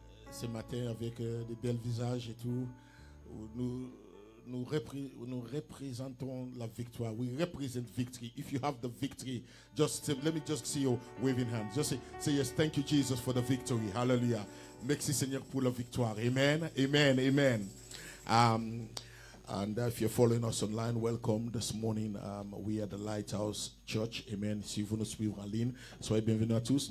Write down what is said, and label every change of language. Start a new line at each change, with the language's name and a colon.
French: Ce matin, avec des belles visages et tout, nous représentons la victoire.
English: We represent victory. If you have the victory, let me just see you waving hands. Just say yes, thank you Jesus for the victory.
French: Hallelujah. Merci Seigneur pour la victoire. Amen. Amen. Amen.
English: And if you're following us online, welcome this morning. We are the Lighthouse Church. Amen.
French: Si vous nous suivez en ligne, soyez bienvenus à tous.